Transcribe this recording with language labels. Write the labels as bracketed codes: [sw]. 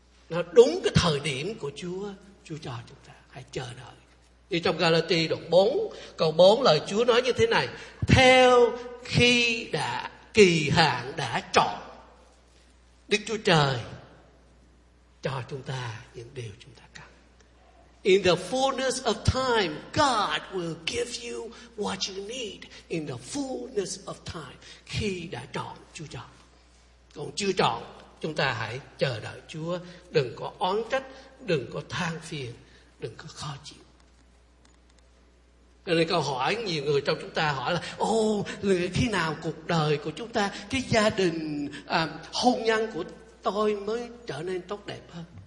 [vi] Nó đúng cái thời điểm của Chúa, Chúa cho chúng ta hãy chờ đợi. Như trong Galati đoạn 4 câu 4, lời Chúa nói như thế này: theo khi đã kỳ hạn đã trọn, Đức Chúa Trời cho chúng ta những điều chúng ta cần. [en] In the fullness of time, God will give you what you need. In the fullness of time, [vi] khi đã trọn, Chúa cho. Còn chưa trọn, chúng ta hãy chờ đợi Chúa, đừng có oán trách, đừng có than phiền, đừng có khó chịu. Cho nên câu hỏi nhiều người trong chúng ta hỏi là: ô, khi nào cuộc đời của chúng ta, cái gia đình, hôn nhân của tôi mới trở nên tốt đẹp hơn?